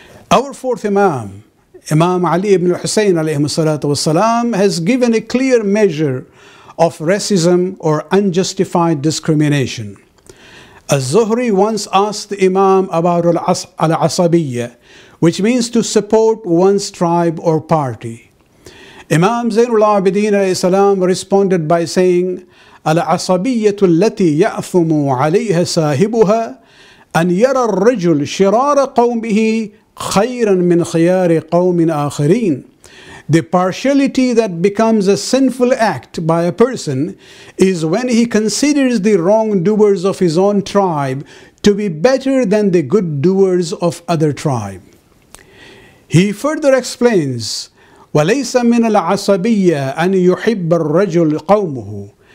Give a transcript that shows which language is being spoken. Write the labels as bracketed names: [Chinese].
[English] Our fourth Imam, Imam Ali ibn Hussein alayhi salatu wasalam, has given a clear measure of racism or unjustified discrimination. Az-Zuhri once asked the Imam about al-Asabiyya, which means to support one's tribe or party. Imam Zainul Abidin alayhi salam responded by saying, [Arabic] العصبية التي يأثم عليها ساهبها أن يرى الرجل شرار قومه خيرا من خيار قوم آخرين. [English] The partiality that becomes a sinful act by a person is when he considers the wrongdoers of his own tribe to be better than the good doers of other tribe. He further explains, [Arabic] وَلَيْسَ مِنَ الْعَصَبِيَّةِ أَن يُحِبَّ الرَّجُلْ قَوْمُهُ.